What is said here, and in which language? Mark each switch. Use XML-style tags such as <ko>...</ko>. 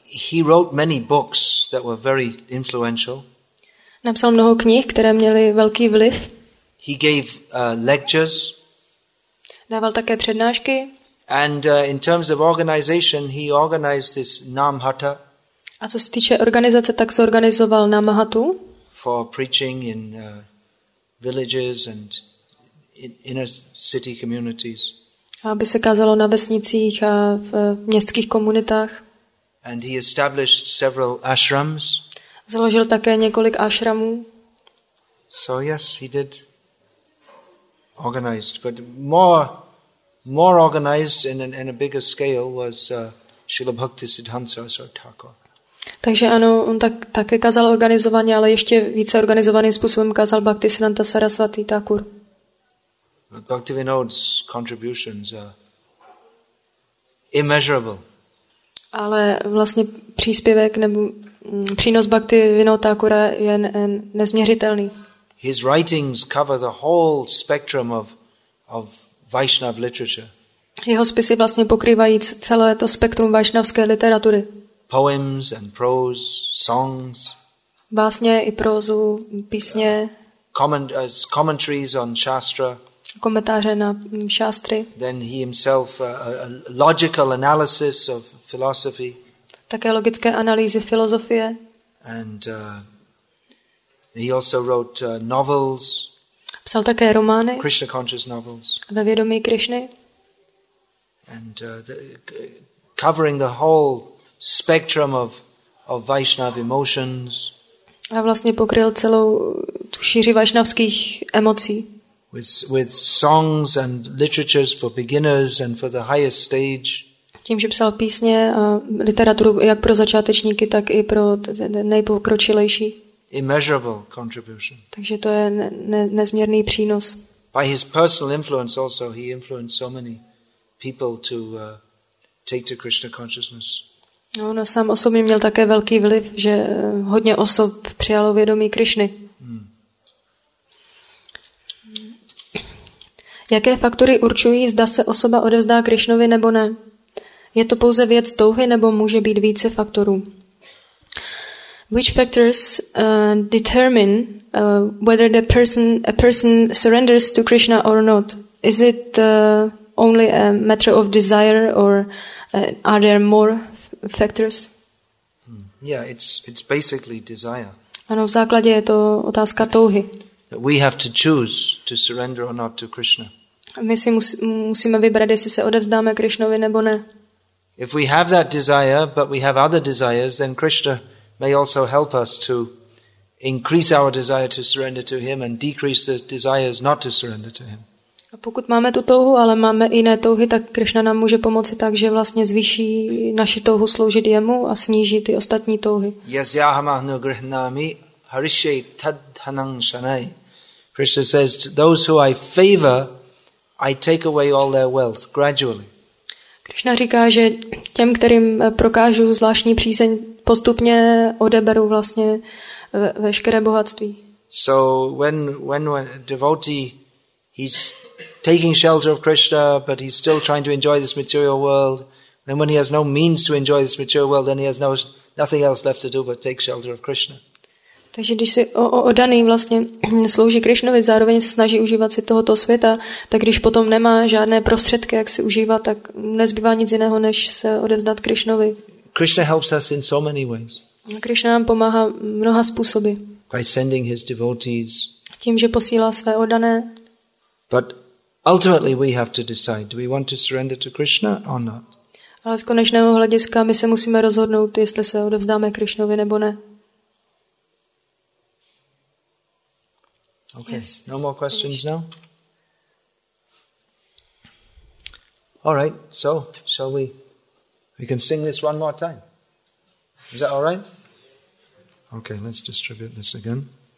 <en>He wrote many books that were very influential.</en> <cs>Napsal mnoho knih, které měly velký vliv.</cs> <en>He gave lectures.</en> <cs>Dával také přednášky.</cs> <en>And in terms of organization, he organized this Namhatta.</en> <cs>A co se týče organizace, tak zorganizoval Namhatu.</cs> <en>For preaching in villages and in inner city communities.</en> <cs>Aby se kázalo na vesnicích a v městských komunitách.</cs> <en>And he established several ashrams.</en> <cs>Založil také několik ashramů.</cs> <en>So yes, he did organized, but more organized in a bigger scale was Srila Bhaktisiddhanta Sarasvati Thakur.</en> <cs>Takže ano, on také kázal organizovaně, ale ještě více organizovaným způsobem kázal Bhaktisiddhanta Sarasvati Thakur.</cs> <en>Bhaktivinoda's contributions are immeasurable.</en> <cs>Ale vlastně příspěvek nebo přínos Bhaktivinoda Thakura je nezměřitelný.</cs> <en>His writings cover the whole spectrum of Vaishnav literature.</en> <cs>Jeho spisy vlastně pokrývají celé to spektrum vaishnavské literatury.</cs> <en>Poems and prose, songs.</en> <cs>Básně i prózu, písně.</cs> <en>Commentaries on shastra.</en> <cs>Komentáře na šástry.</cs> <en>Then he himself a logical analysis of philosophy.</en> <cs>Také logické analýzy filozofie.</cs> <en>And he also wrote novels.</en> <cs>Psal také romány.</cs> <en>Krishna conscious novels.</en> <cs>Ve vědomí Krišny.</cs> <en>And covering the whole spectrum of Vaishnav emotions.</en> <cs>A vlastně pokryl celou tu šíři vaishnavských emocí.</cs> <en>With songs and literatures for beginners and for the highest stage.</en> <cs>Tím, že psal písně a literaturu jak pro začátečníky, tak i pro nejpokročilejší.</cs> <en>Immeasurable contribution.</en> <cs>Takže to je nezměrný přínos.</cs> <en>By his personal influence also, he influenced so many people to take to Krishna consciousness.</en> <cs>No, on sám osobně měl také velký vliv, že hodně osob přijalo vědomí Krišny. Jaké faktory určují, zda se osoba odevzdá Krišnovi nebo ne? Je to pouze věc touhy nebo může být více faktorů?</cs> <en>Which factors determine whether a person surrenders to Krishna or not? Is it only a matter of desire or are there more factors? Yeah, it's basically desire.</en> <cs>Ano, v základě je to otázka touhy.</cs> <en>We have to choose to surrender or not to Krishna.</en> <cs>My si musíme vybrat, jestli se odevzdáme Krišnovi nebo ne.</cs> <en>If we have that desire, but we have other desires, then Krishna may also help us to increase our desire to surrender to him and decrease the desires not to surrender to him.</en> <cs>A pokud máme tu touhu, ale máme jiné touhy, tak Krišna nám může pomoci tak, že vlastně zvýší naši touhu sloužit jemu a sníží ty ostatní touhy.</cs> <sa>Yasyahamahnu grihnami harishe tadhanang shanai.</sa> <en>Krishna says, those who I favor, I take away all their wealth gradually.</en> <cs>Krishna říká, že těm, kterým prokážu zvláštní přízeň, postupně odeberu vlastně veškeré bohatství.</cs> <en>So when a devotee he's taking shelter of Krishna, but he's still trying to enjoy this material world, then when he has no means to enjoy this material world, then he has nothing else left to do but take shelter of Krishna.</en> <cs>Takže když si oddaný vlastně slouží Krišnovi, zároveň se snaží užívat si tohoto světa, tak když potom nemá žádné prostředky, jak si užívat, tak nezbývá nic jiného, než se odevzdat Krišnovi.</cs> <en>Krishna helps us in so many ways.</en> <cs>Krišna nám pomáhá mnoha způsoby.</cs> <en>By sending his devotees.</en> <cs>Tím, že posílá své oddané.</cs> <en>But ultimately we have to decide, do we want to surrender to Krishna or not?</en> <cs>Ale z konečného hlediska my se musíme rozhodnout, jestli se odevzdáme Krišnovi nebo ne.</cs> <en>Okay, no more questions now? All right, so shall we? We can sing this one more time. Is that all right? Okay, let's distribute this again.</en>